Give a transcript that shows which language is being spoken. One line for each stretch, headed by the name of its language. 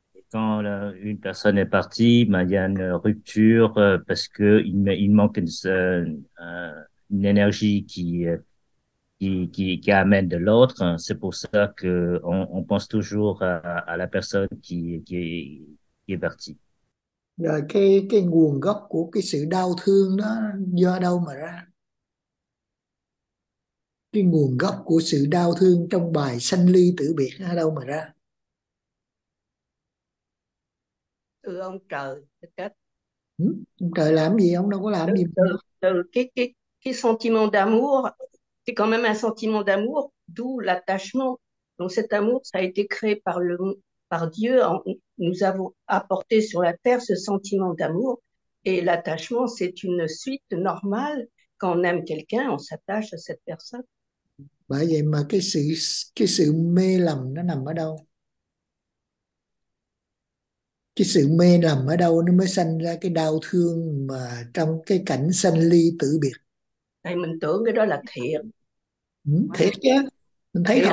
French: Quand une personne est partie, ben, il y a une rupture parce qu'il manque une énergie qui amène de l'autre. C'est pour ça que on pense toujours à la personne qui est partie.
Vietnamese: Rồi cái nguồn gốc của cái sự đau thương đó do đâu mà ra? Cái nguồn gốc của sự đau thương trong bài Sanh Ly Tử Biệt ở đâu mà ra? Từ ông trời cách Ừ, ông trời làm gì? Ông đâu có làm từ gì. từ từ cái
French: sentiment d'amour C'est quand même un sentiment d'amour, d'où l'attachement. Donc cet amour, ça a été créé par par Dieu. Nous avons apporté sur la terre ce sentiment d'amour. Et l'attachement, c'est une suite normale. Quand on aime quelqu'un, on s'attache à cette personne.
Vietnamese: Bởi vậy mà cái sự mê lầm nó nằm ở đâu? Cái sự mê lầm ở đâu nó mới sanh ra cái đau thương mà trong cái cảnh sanh ly tử biệt? Đây, mình tưởng cái đó là thiệt. Thiệt chứ, mình thấy